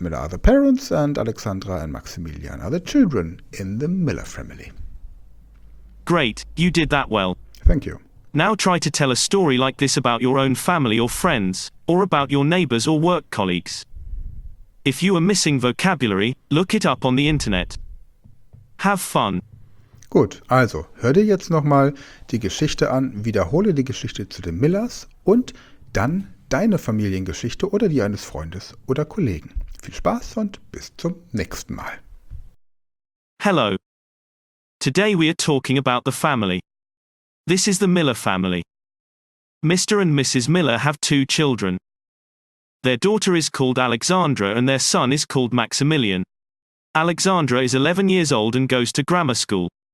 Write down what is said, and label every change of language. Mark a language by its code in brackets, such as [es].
[en] Miller are the parents and Alexandra and Maximilian are the children in the Miller family. Great, you did that well. Thank you. Now try to tell a story like this about your own family or friends, or about your neighbors or work colleagues. If you are missing vocabulary, look it up on the internet. Have fun. [de] Gut, also hör dir jetzt nochmal die Geschichte an, wiederhole die Geschichte zu den Millers und dann deine Familiengeschichte oder die eines Freundes oder Kollegen. Viel Spaß und bis zum nächsten Mal. [en] Hello. Today we are talking about the family. This is the Miller family. Mr. and Mrs. Miller have two children. Their daughter is called Alexandra and their son is called Maximilian. Alexandra is 11 years old and goes to grammar school.